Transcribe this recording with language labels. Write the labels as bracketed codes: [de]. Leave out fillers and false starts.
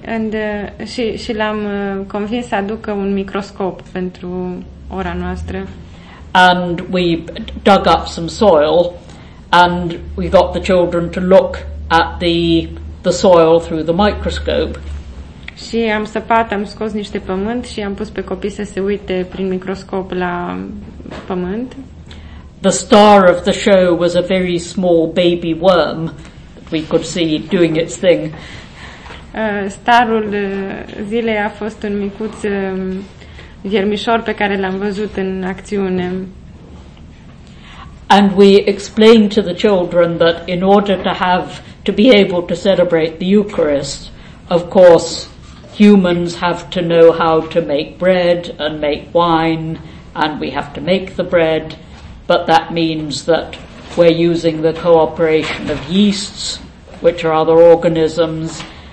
[ro] And și l-am convins să aducă un microscop pentru ora noastră. [en] And we dug up some soil and we got the children to look at the soil through the microscope. [ro] Și am săpat, am scos niște pământ și am pus pe copii să se uite prin microscop la pământ. [en] The star of the show was a very small baby worm that we could see doing its thing. [ro] Starul zilei a fost un micuț viermișor pe care l-am văzut în acțiune. [en] And we explained to the children that in order to be able to celebrate the Eucharist, of course, humans have to know how to make bread and make wine, and we have to make the bread, but that means that we're using the cooperation of yeasts, which are other organisms,